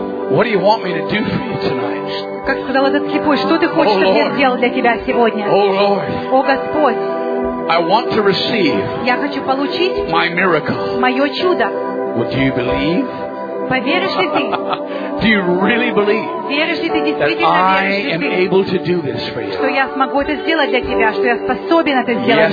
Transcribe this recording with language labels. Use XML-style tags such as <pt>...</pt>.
<en>What do you want me to do for you tonight?</en> <ru>Как сказал этот слепой, что ты хочешь, чтобы я сделал для тебя сегодня?</ru> <en>Oh Lord.</en> <ru>О Господь.</ru> <en>I want to receive.</en> <ru>Я хочу получить.</ru> <en>My miracle.</en> <ru>Мое чудо.</ru> <en>Well, do you believe?</en> <ru>Поверишь ли ты?</ru> <en>Do you really believe?</en> <ru>Веришь ли ты действительно?</ru> <en>That I am able to do this for you.</en> <ru>Что я смогу это сделать для тебя? Что я способен это сделать?</ru>